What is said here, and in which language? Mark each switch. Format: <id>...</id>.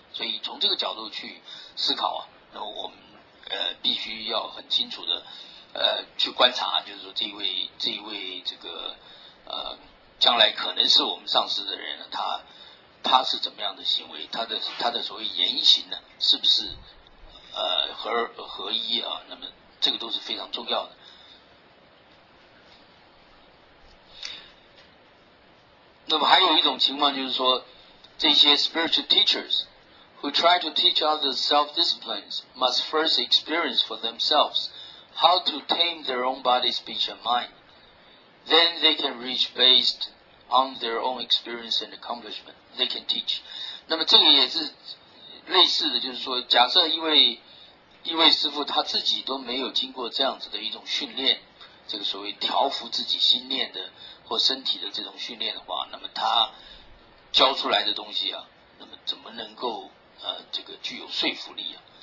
<zh>所以从这个角度去思考啊，那么我们必须要很清楚的去观察啊，就是说这一位这个将来可能是我们上师的人呢，他是怎么样的行为，他的所谓言行呢，是不是合一啊？那么这个都是非常重要的。那么还有一种情况，就是说这些</zh> <en>spiritual teachers who try to teach others self-disciplines must first experience for themselves how to tame their own body, speech and mind. Then they can reach based on their own experience and accomplishment. They can teach.</en> <zh>那么这个也是类似的，就是说假设一位师父他自己都没有经过这样子的一种训练，这个所谓调伏自己心念的或身体的这种训练的话，那么他教出来的东西啊，那么怎么能够这个具有说服力啊？</zh>